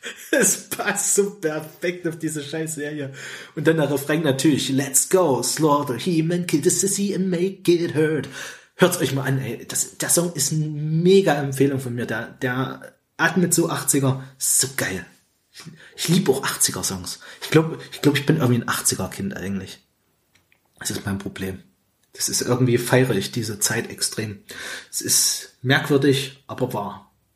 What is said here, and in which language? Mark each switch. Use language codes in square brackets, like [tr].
[de] Es passt so perfekt auf diese scheiß Serie. Und dann der Refrain natürlich. [en] Let's go, slaughter He-Man, kill the sissy and make it hurt. [de] Hört's euch mal an, ey. Der Song ist eine mega Empfehlung von mir. Der atmet so 80er. So geil. Ich liebe auch 80er-Songs. Ich glaube, ich bin irgendwie ein 80er-Kind eigentlich. Das ist mein Problem. Das ist irgendwie, feiere ich diese Zeit extrem. Es ist merkwürdig, aber wahr.